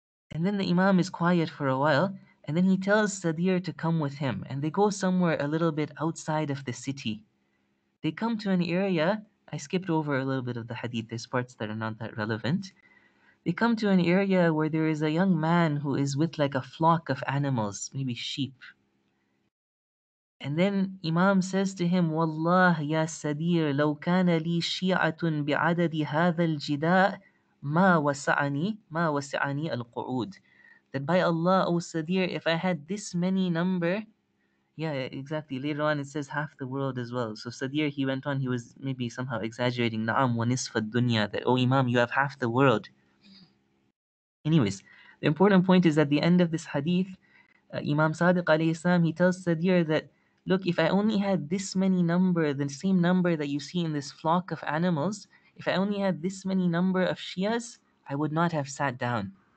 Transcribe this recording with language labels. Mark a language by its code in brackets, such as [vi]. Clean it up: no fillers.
[en] And then the Imam is quiet for a while, and then he tells Sadir to come with him, and they go somewhere a little bit outside of the city. They come to an area, I skipped over a little bit of the hadith, there's parts that are not that relevant. They come to an area where there is a young man who is with like a flock of animals, maybe sheep. And then Imam says to him, [ar] Wallah ya Sadir, لو كان لي شيعة بعدد هذا الجداء ما وسعني القعود. [en] That by Allah, O Sadir, if I had this many number, yeah, exactly. Later on, it says half the world as well. So Sadir, he went on, he was maybe somehow exaggerating. [ar] Na'am wa nisf ad-dunya, [en] that, oh, Imam, you have half the world. Anyways, the important point is at the end of this hadith, Imam Sadiq alayhi salam, he tells Sadir that, look, if I only had this many number, the same number that you see in this flock of animals, if I only had this many number of Shias, I would not have sat down.